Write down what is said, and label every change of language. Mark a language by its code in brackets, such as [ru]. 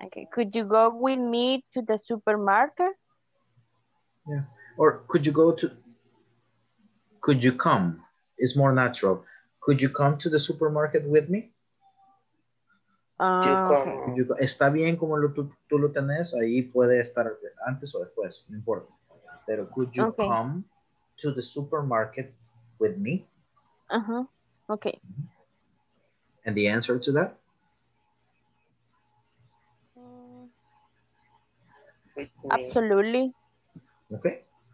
[en] Could you go with me to the supermarket? Yeah. Or could you come? It's more natural. Could you come to the supermarket with me? Okay. [es] Está bien como tú lo tenés, ahí puede estar antes o después, no importa. [en] Pero could you come to the supermarket with me? Uh-huh. Okay. And the answer to that? Absolutely. Okay.